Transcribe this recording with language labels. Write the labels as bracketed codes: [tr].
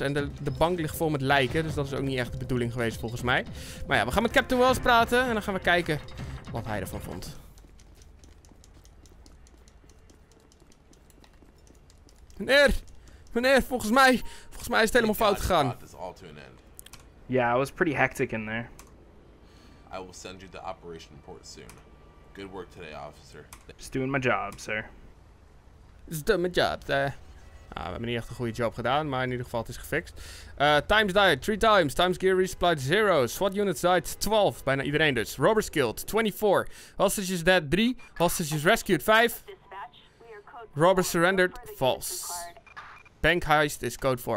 [nl] En de bank ligt vol met lijken, dus dat is ook niet echt de bedoeling geweest volgens mij. Maar ja, we gaan met Captain Wells praten en dan gaan we kijken wat hij ervan vond. Meneer! Meneer, volgens mij is het helemaal fout gegaan. [en] Yeah, it was pretty hectic in there. I will send you the operation report soon. Good work today, officer. Just doing my job, sir. Just doing my job, sir. [nl] Ah, we hebben niet echt een goede job gedaan, maar in ieder geval het is gefixt. [en] Times died 3 times. Times gear resupplied 0. SWAT units died 12. [nl] Bijna iedereen dus. [en] Robbers killed 24. Hostages dead 3. Hostages rescued 5. Robbers surrendered false. Bank heist is code 4.